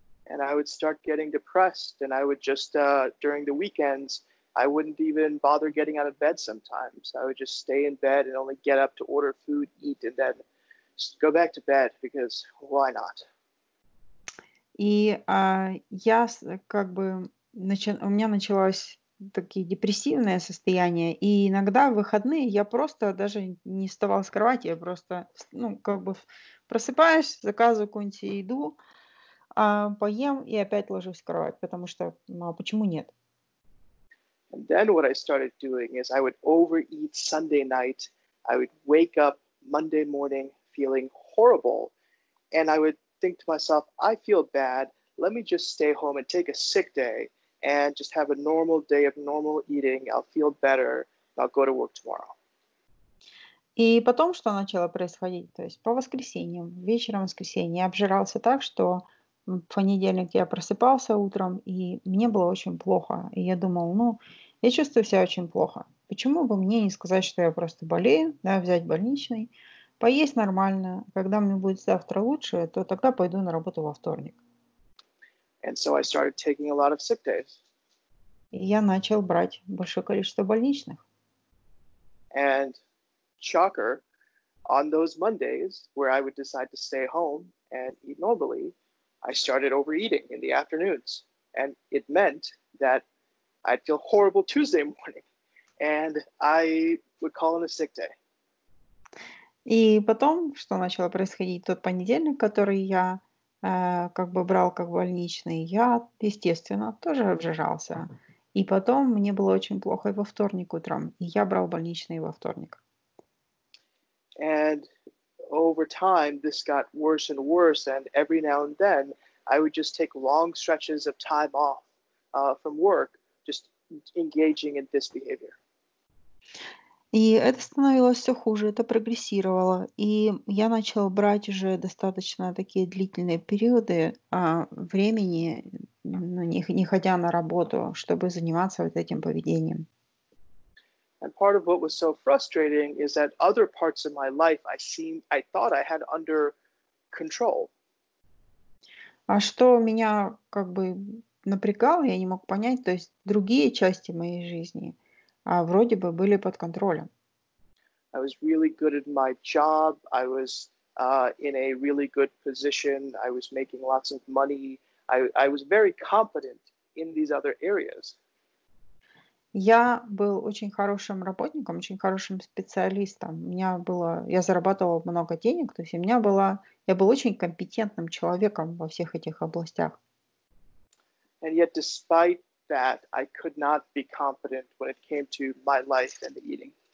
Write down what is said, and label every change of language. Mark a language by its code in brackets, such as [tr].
[en] And I would start getting depressed, and I would just, during the weekends, I wouldn't even bother getting out of bed sometimes. I would just stay in bed and only get up to order food, eat, and then go back to bed, because why not? [ru] И я как бы, у меня началось такие депрессивное состояние, и иногда в выходные я просто даже не вставал с кровати, я просто, ну, как бы просыпаюсь, заказываю какую-нибудь еду, поем и опять ложусь в кровать, потому что, ну, а почему нет? [en] And then what I started doing is I would overeat Sunday night, I would wake up Monday morning feeling horrible, and I would think to myself, I feel bad, let me just stay home and take a sick day and just have a normal day of normal eating, I'll feel better, I'll go to work tomorrow. [ru] И потом что начало происходить? То есть по воскресеньям, вечером воскресенья, я обжирался так, что в понедельник я просыпался утром, и мне было очень плохо. И я думал, ну, я чувствую себя очень плохо. Почему бы мне не сказать, что я просто болею, да, взять больничный, поесть нормально. Когда мне будет завтра лучше, то тогда пойду на работу во вторник. [en] And so I started taking a lot of sick days. [ru] И я начал брать большое количество больничных. [en] And shocker, on those Mondays, where I would decide to stay home and eat normally, I started overeating in the afternoons, and it meant that I'd feel horrible Tuesday morning, and I would call in a sick day. [ru] И потом, что начало происходить, тот понедельник, который я как бы брал как больничный, я, естественно, тоже обжирался. И потом мне было очень плохо во вторник утром, и я брал больничный во вторник. [en] And over time, this got worse and worse. And every now and then, I would just take long stretches of time off from work, just engaging in this behavior. [ru] И это становилось все хуже, это прогрессировало. И я начала брать уже достаточно такие длительные периоды времени, не ходя на работу, чтобы заниматься вот этим поведением. [en] And part of what was so frustrating is that other parts of my life I thought I had under control. [ru] А что меня как бы напрягало, я не мог понять, то есть другие части моей жизни вроде бы были под контролем. [en] I was really good at my job. I was in a really good position. I was making lots of money. I was very competent in these other areas. [ru] Я был очень хорошим работником, очень хорошим специалистом. Я зарабатывал много денег, то есть я был очень компетентным человеком во всех этих областях. [en] And yet, despite that, I could not be competent when it came to my life and eating.